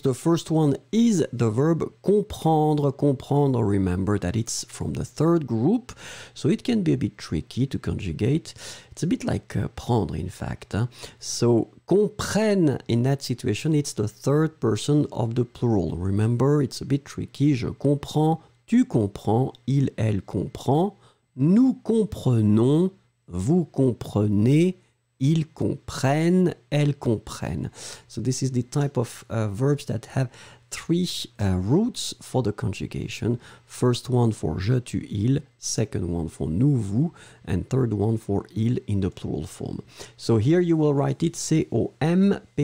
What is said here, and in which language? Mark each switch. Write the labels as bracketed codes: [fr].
[en] The first one is the verb comprendre, comprendre, remember that it's from the third group, so it can be a bit tricky to conjugate. It's a bit like prendre, in fact. So, comprenne, in that situation, it's the third person of the plural. Remember, it's a bit tricky. [fr] Je comprends, tu comprends, il, elle comprend, nous comprenons, vous comprenez, ils comprennent, elles comprennent. [en] So this is the type of verbs that have three roots for the conjugation. First one for je, tu, il. Second one for nous, vous. And third one for il in the plural form. So here you will write it comprennent.